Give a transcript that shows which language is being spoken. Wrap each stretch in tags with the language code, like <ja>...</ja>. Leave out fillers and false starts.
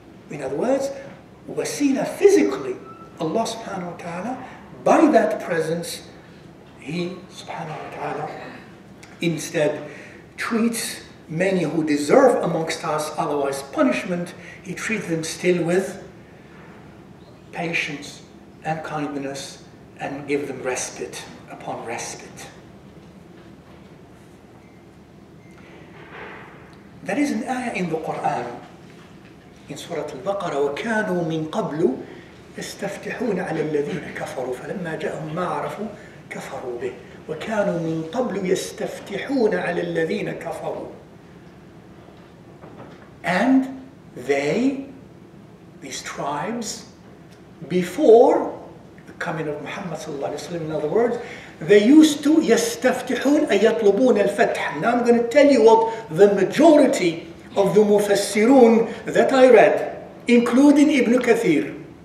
<en>In other words, wasila physically, Allah subhanahu wa ta'ala, by that presence, he subhanahu wa ta'ala instead treats many who deserve amongst us otherwise punishment, he treats them still with patience and kindness and give them respite upon respite. There is an ayah in the Quran, in Surah Al-Baqarah,</en> <ar>وَكَانُوا مِنْ قَبْلُ يَسْتَفْتِحُونَ عَلَى الَّذِينَ كَفَرُوا فَلَمَّا جَاءَهُمْ مَا عَرَفُوا كَفَرُوا بِهِ وَكَانُوا مِنْ قَبْلُ يَسْتَفْتِحُونَ عَلَى الَّذِينَ كَفَرُوا.</ar> <en>And they, these tribes, before the coming of Muhammad sallallahu alayhi wa sallam. In other words, they used to</en> <ar>yastaftihun ayatlubun al-fath.</ar> <en>Now I'm going to tell you what the majority of the mufassirun that I read, including Ibn Kathir,</en>